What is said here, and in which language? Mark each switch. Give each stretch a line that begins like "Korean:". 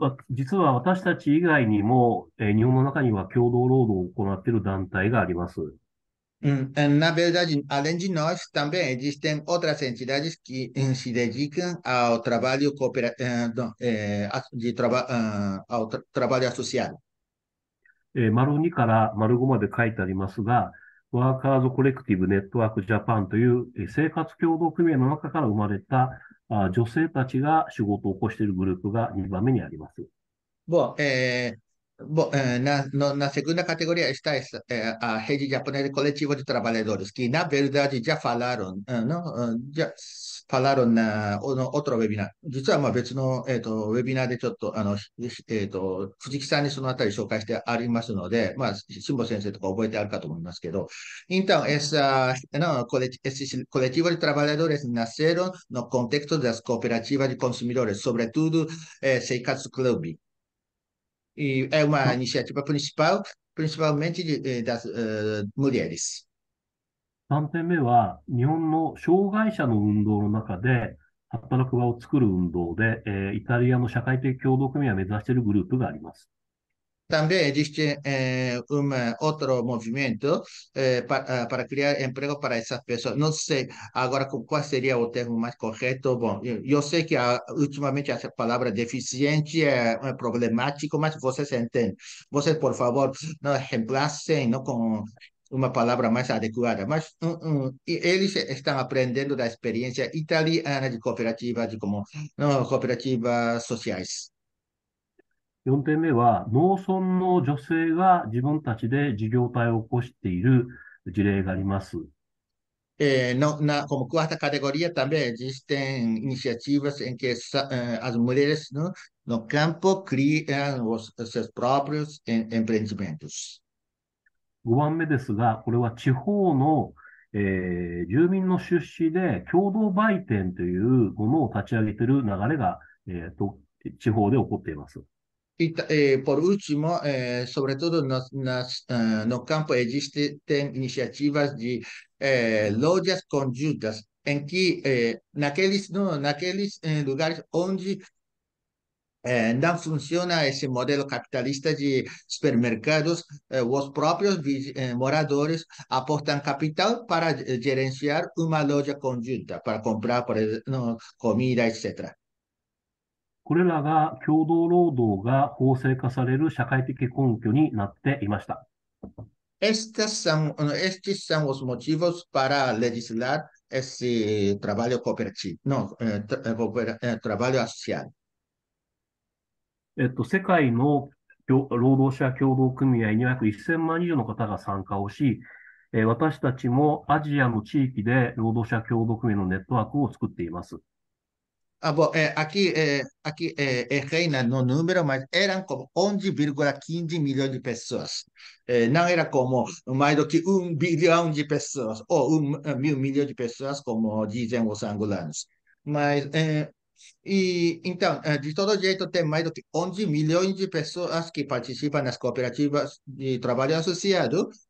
Japanese: 実は私たち以外にも、日本の中には共同労働を行っている団体があります。
Portuguese: Na verdade, além de nós, também existem outras entidades que se dedicam ao trabalho cooperativo, de traba ao tra trabalho associado.
Japanese: 丸2から丸5まで書いてありますが、ワーカーズコレクティブネットワークジャパンという生活協同組合の中から生まれた女性たちが仕事を起こしているグループが2番目にあります。
Portuguese: Bom, na segunda categoria está a Rede Japonesa Coletiva de Trabalhadores, que na verdade já falaram, não, já falaram na no outro webinar. Disse uma vez no webinar de
Japanese: ちょっと藤木さんにそのあたり紹介してありますので、まあ辛坊先生とか覚えてあるかと思いますけど、
Portuguese: então essa não coletiva de trabalhadores nasceram no contexto das cooperativas de consumidores, sobretudo Seikatsu Club. E é uma iniciativa principal, principalmente das mulheres.
Japanese: 3点目は、日本の障害者の運動の中で、働く場を作る運動で、イタリアの社会的協同組合を目指しているグループがあります。
Portuguese: Também existe outro movimento para criar emprego para essas pessoas. Não sei agora qual seria o termo mais correto. Bom, eu sei que ultimamente essa palavra deficiente é problemático, mas vocês entendem. Vocês, por favor, não reemplacem não com uma palavra mais adequada. Mas eles estão aprendendo da experiência italiana de cooperativas, de como não, cooperativas sociais.
Japanese: 4点目は、農村の女性が自分たちで事業体を起こしている事例があります。
Portuguese: Como quarta categoria, também existem iniciativas em que as mulheres no campo criam seus próprios empreendimentos.
Japanese: 5番目ですが、これは地方の、住民の出資で共同売店というものを立ち上げている流れが、地方で起こっています。
Portuguese: Por último, sobretudo no campo, existem iniciativas de lojas conjuntas, em que, naqueles, não, naqueles lugares onde não funciona esse modelo capitalista de supermercados, os próprios moradores aportam capital para gerenciar uma loja conjunta, para comprar, por exemplo, comida, etc.
Japanese: これらが共同労働が法制化される社会的根拠になっていました。
Spanish: Estos son los motivos para legislar ese trabajo cooperativo, no, trabajo social.
Japanese: 世界の労働者協同組合に約1000万人以上の方が参加をし、私たちもアジアの地域で労働者協同組合のネットワークを作っています。
Portuguese: Ah, bom, aqui reina no número, mas eram como 11,15 milhões de pessoas. Não era como mais do que 1 bilhão de pessoas, ou 1 mil milhão de pessoas, como dizem os angolanos. Mas, e, então, de todo jeito, tem mais do que 11 milhões de pessoas que participam nas cooperativas de trabalho associado.